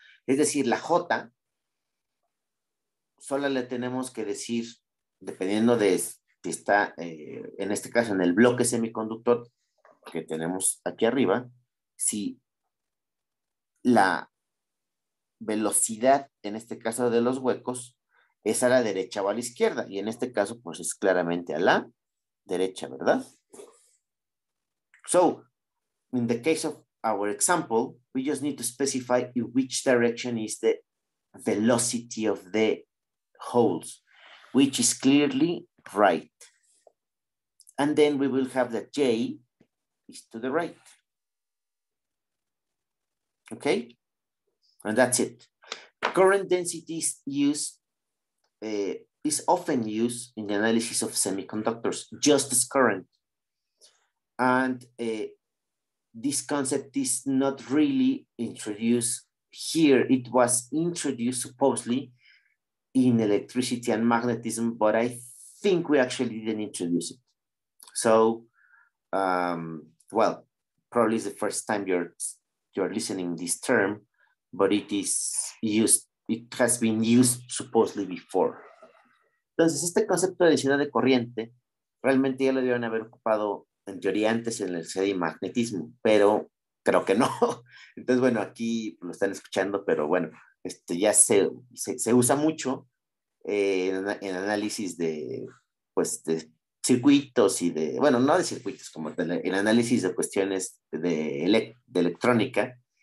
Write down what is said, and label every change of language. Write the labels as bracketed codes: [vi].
[es] Es decir, la J, solo le tenemos que decir, dependiendo de si está, en este caso, en el bloque semiconductor que tenemos aquí arriba, si la velocidad, en este caso de los huecos, es a la derecha o a la izquierda. Y en este caso, pues es claramente a la derecha, ¿verdad? [en] So, in the case of our example, we just need to specify in which direction is the velocity of the holes, which is clearly right. And then we will have that J is to the right. Okay? And that's it. Current density is used is often used in the analysis of semiconductors, just as current. And this concept is not really introduced here. It was introduced supposedly in electricity and magnetism, but I think we actually didn't introduce it. So, well, probably it's the first time you're listening this term, but it is used. It has been used supposedly before. [es] Entonces, este concepto de densidad de corriente realmente ya lo debieron haber ocupado en teoría antes en el CD magnetismo, pero creo que no. Entonces, bueno, aquí lo están escuchando, pero bueno, ya se usa mucho en análisis de, pues, de circuitos y de, bueno, no de circuitos, como en análisis de cuestiones de electrónica.